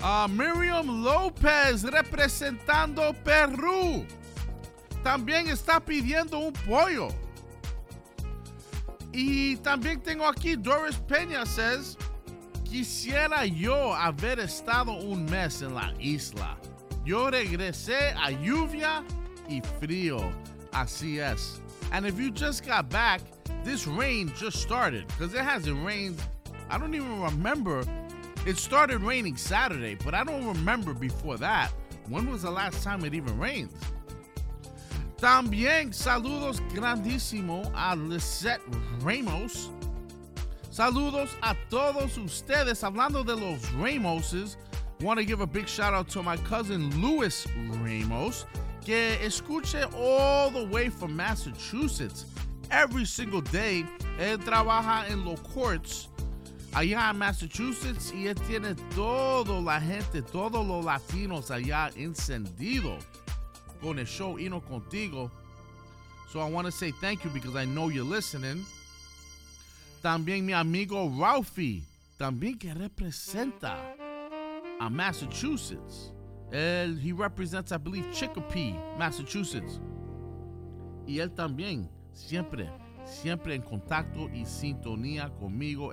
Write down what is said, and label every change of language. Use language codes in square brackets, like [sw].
[es] Miriam López representando Perú. También está pidiendo un pollo. Y también tengo aquí Doris Peña says, quisiera yo haber estado un mes en la isla. Yo regresé a lluvia y frío. Así es. [en] And if you just got back, this rain just started. Because it hasn't rained. I don't even remember. It started raining Saturday, but I don't remember before that. When was the last time it even rained? [es] También saludos grandísimo a Lisette Ramos. Saludos a todos ustedes. Hablando de los Ramoses, [en] want to give a big shout out to my cousin Luis Ramos, [es] que escuche [en] all the way from Massachusetts. Every single day, [es] él trabaja en los courts allá en Massachusetts y él tiene todo la gente, todos los latinos allá encendido. Con el show Hino Contigo. [en] So I want to say thank you because I know you're listening. [es] También mi amigo Ralphie, también que representa a Massachusetts. [en] He represents, I believe, Chicopee, Massachusetts. [es] Y él también siempre, siempre en contacto y sintonía conmigo.